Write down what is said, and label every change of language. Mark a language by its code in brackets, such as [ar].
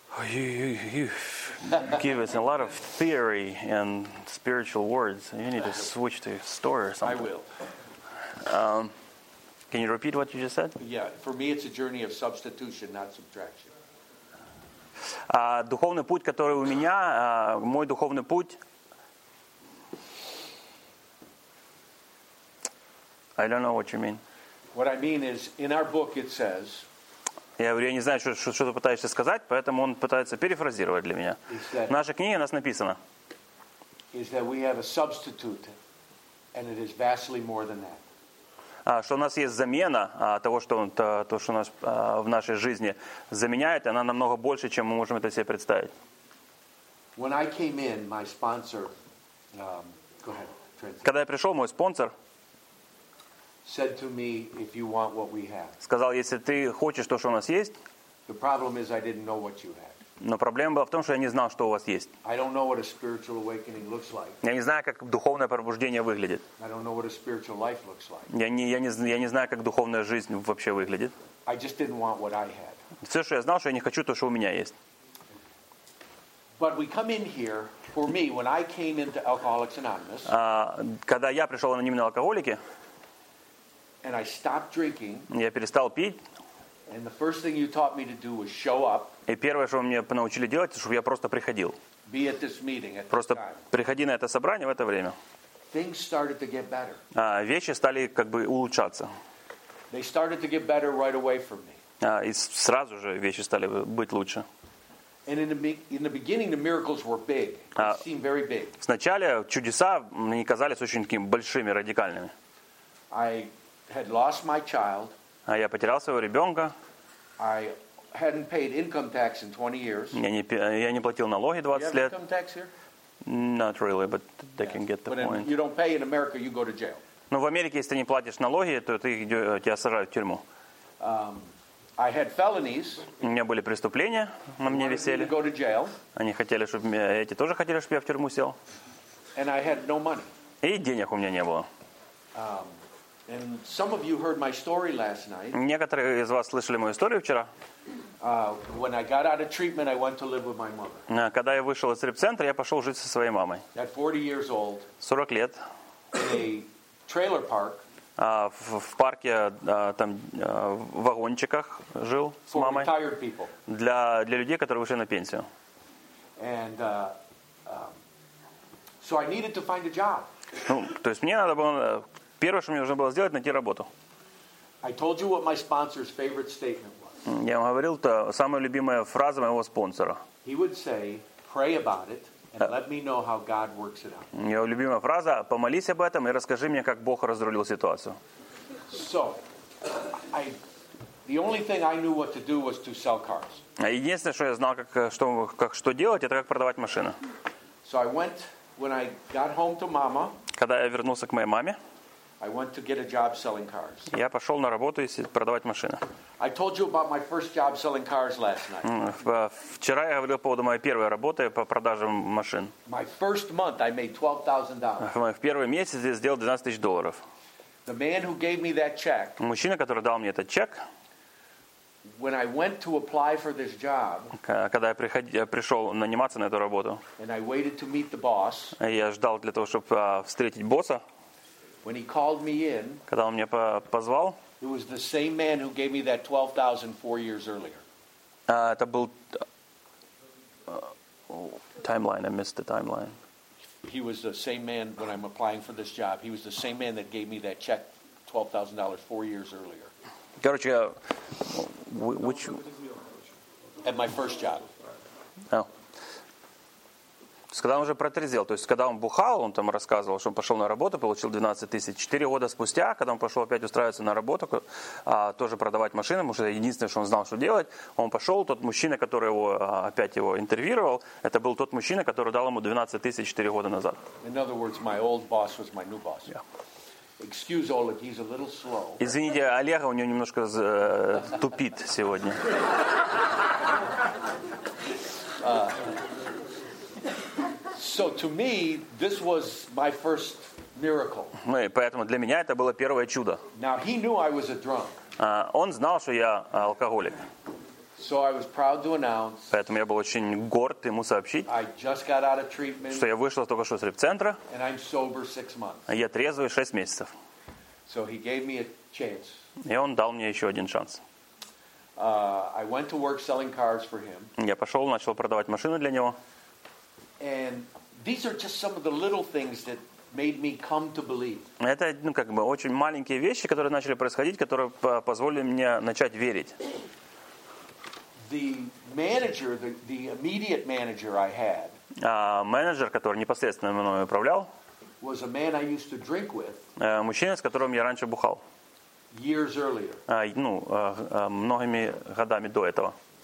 [en] You give us a lot of theory and spiritual words. You need to switch to story or something. I will. Can you repeat what you just said? Yeah, for me it's a journey of substitution, not subtraction. [ru] Духовный путь, который у меня, мой духовный путь. [en] I don't know what you mean. What I mean is, in our book it says. [ru] Я говорю, я не знаю, что ты пытаешься сказать, поэтому он пытается перефразировать для меня. В нашей книге у нас написано. [en] Is that we have a substitute, and it is vastly more than that. [ru] Что у нас есть замена того, что то, что у нас в нашей жизни заменяет, она намного больше, чем мы можем это себе представить. [en] When I came in, my sponsor, go ahead, translate. [ru] Когда я пришел, мой спонсор [en] said to me, if you want what we have. [ru] Сказал, если ты хочешь то, что у нас есть. [en] The problem is, I didn't know what you had. [ru] Но проблема была в том, что я не знал, что у вас есть. [en] I don't know what a spiritual awakening looks like. [ru] Я не знаю, как духовное пробуждение выглядит. [en] I don't know what a spiritual life looks like. [ru] Я не знаю, как духовная жизнь вообще выглядит. [en] I just didn't want what I had. [ru] Все, что я знал, что я не хочу то, что у меня есть. [en] But we come in here, for me, when I came into Alcoholics Anonymous, [ru] когда я пришел в анонимные алкоголики, [en] and I stopped drinking, [ru] я перестал пить. [en] And the first thing you taught me to do was show up. [ru] И первое, что вы мне научили делать, чтобы я просто приходил. [en] Be at this meeting at [ru] просто [en] this time. [ru] Приходи на это собрание в это время. [en] Things started to get better. [ru] Вещи стали как бы улучшаться. [en] They started to get better right away for me. [ru] И сразу же вещи стали быть лучше. [en] And in the beginning, the miracles were big. They seemed very big. [ru] Сначала чудеса мне казались очень такими большими, радикальными. [en] I had lost my child. [ru] А я потерял своего ребенка. [en] I hadn't paid income tax in 20 years. [ru] Я не платил налоги 20 лет. [en] Income tax here? Not really, but they yes. can get the but point. In, you don't pay in America, you go to jail. [ru] Но в Америке, если ты не платишь налоги, то тебя сажают в тюрьму. [en] I had felonies. [ru] У меня были преступления, на мне висели. [en] Go to jail. [ru] Они хотели, чтобы эти тоже хотели, чтобы я в тюрьму сел. [en] And I had no money. [ru] И денег у меня не было. [en] And some of you heard my story last night. [ru] Некоторые из вас слышали мою историю вчера. [en] When I got out of treatment, I went to live with my mother. [ru] Когда я вышел из реабцентра, я пошел жить со своей мамой. [en] At 40 years old. [ru] 40 лет. [en] In a trailer park. [ru] В парке там в вагончиках жил с мамой. [en] For retired people. [ru] Для людей, которые вышли на пенсию. [en] And so I needed to find a job. [ru] Ну, то есть мне надо было. Первое, что мне нужно было сделать, найти работу. [en] I told you what my sponsor's favorite statement was. [ru] Я вам говорил, это самая любимая фраза моего спонсора. [en] He would say, pray about it and let me know how God works it out. [ru] Его любимая фраза, помолись об этом и расскажи мне, как Бог разрулил ситуацию. [en] So, the only thing I knew what to do was to sell cars. [ru] Единственное, что я знал, как делать, это как продавать машины. [en] So I went, when I got home to mama, [ru] когда я вернулся к моей маме, [en] I went to get a job selling cars. [ru] Я пошел на работу и продавать машины. [en] I told you about my first job selling cars last night. [ru] Вчера я говорил по поводу моей первой работы по продаже машин. [en] My first month I made $12,000. [ru] В первый месяц я сделал $12,000. [en] The man who gave me that check. [ru] Мужчина, который дал мне этот чек. [en] When I went to apply for this job. [ru] Когда я пришел наниматься на эту работу. [en] And I waited to meet the boss. [ru] Я ждал для того, чтобы встретить босса. [en] When he called me in, [ru] когда он меня позвал, [en] it was the same man who gave me that $12,000 four years earlier. [ru] Это был [en] timeline. I missed the timeline. He was the same man when I'm applying for this job. He was the same man that gave me that check $12,000 four years earlier. [ru] Короче, [en] which at my first job. Oh. [ru] Когда он уже протрезвел, то есть когда он бухал, он там рассказывал, что он пошел на работу, получил 12 тысяч. 4 года спустя, когда он пошел опять устраиваться на работу, тоже продавать машины, потому что единственное, что он знал, что делать, он пошел, тот мужчина, который его опять его интервьюировал, это был тот мужчина, который дал ему 12 тысяч 4 года назад. [en] In other words, my old boss was my new boss. Yeah. Excuse Oleg, he's a little slow. [ru] Извините, Олега, у него немножко тупит сегодня. [en] So to me, this was my first miracle. [ru] Ну и поэтому для меня это было первое чудо. [en] Now he knew I was a drunk. [ru] Он знал, что я алкоголик. [en] So I was proud to announce. [ru] Поэтому я был очень горд ему сообщить. [en] I just got out of treatment. [ru] Что я вышел только что из реабцентра. [en] And I'm sober 6 months. [ru] Я трезвый 6 месяцев. [en] So he gave me a chance. [ru] И он дал мне еще один шанс. [en] I went to work selling cars for him. [ru] Я пошел, начал продавать машины для него. [en] And these are just some of the little things that made me come to believe. [ru] Это, ну, как бы очень маленькие вещи, которые начали происходить, которые позволили мне начать верить. [en] The manager, the immediate manager I had. [ru] Менеджер, который непосредственно мной управлял. [en] Was a man I used to drink with. [ru] Мужчина, с которым я раньше бухал. [en] Years earlier. [ru] Многими годами до этого.